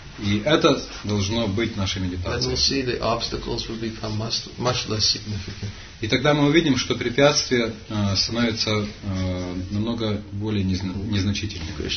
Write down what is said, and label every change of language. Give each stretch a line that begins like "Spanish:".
Russian: И это должно быть нашей медитацией.
English: Then we'll see the obstacles will become much less significant.
Russian: И тогда мы увидим, что препятствия становятся намного более незначительными.